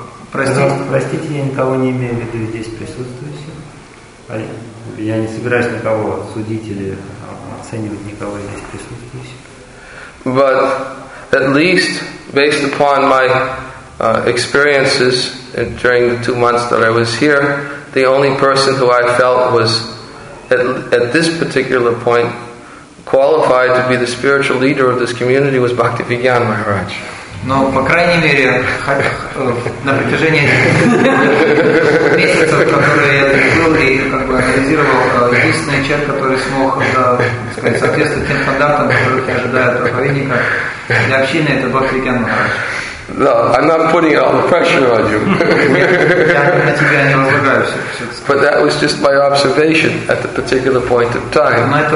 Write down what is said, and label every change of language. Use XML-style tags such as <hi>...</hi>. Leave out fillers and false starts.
<ru>Простите, я никого не имею в виду здесь присутствующих. Я не собираюсь никого судить или оценивать никого здесь присутствующих.</ru> <en>But at least based upon my experiences during the 2 months that I was here, the only person who I felt was at this particular point qualified to be the spiritual leader of this community was Bhaktivedanta Maharaj.</en> <ru>Но по крайней мере на протяжении месяцев, которые я был и как бы анализировал, единственный человек, который смог соответствовать тем стандартам, которые ожидают проповедника для общины, это Bhaktivedanta Maharaj.</ru> <en>No, I'm not putting all the pressure on you. But that was just my observation at the particular point of time.</en>